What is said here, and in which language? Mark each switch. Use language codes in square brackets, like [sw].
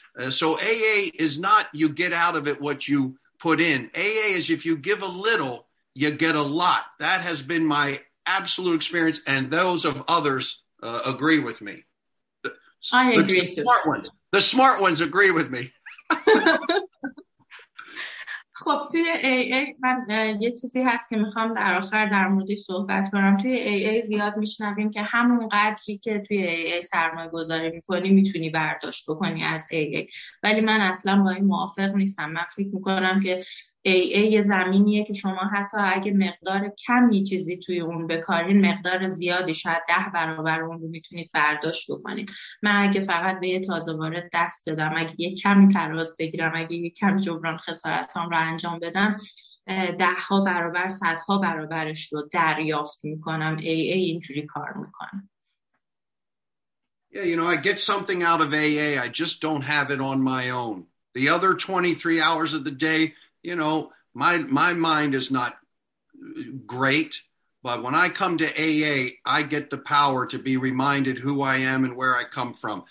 [en] So AA is not you get out of it what you put in. AA is if you give a little, you get a lot. That has been my absolute experience and those of others. Agree with me. I agree too. The smart ones agree with me. [fa] خب توی AA من یه چیزی هست که میخوام در آخر در موردش صحبت کنم. توی AA زیاد میشنویم که همون قدری که توی AA سرمایه گذاری میکنی میتونی برداشت بکنی از AA. ولی من اصلا با این موافق نیستم. من فکر میکنم که AA یه زمینیه که شما حتی اگه مقدار کمی چیزی توی اون بکارین، مقدار زیادی، شاید 10 برابر اون رو میتونید برداشت بکنید. من اگه فقط به یه تازه وارد دست بدم، اگه یه کمی تراز بگیرم، اگه یه کمی جبران خسارتام انجام بدم، 10 برابر 100 برابرش رو دریافت میکنم. AA اینجوری کار میکنم. [en] Yeah, you know, I get something out of AA. I just don't have it on my own. The other 23 hours of the day, you know, my mind is not great, but when I come to AA, I get the power to be reminded who I am and where I come from.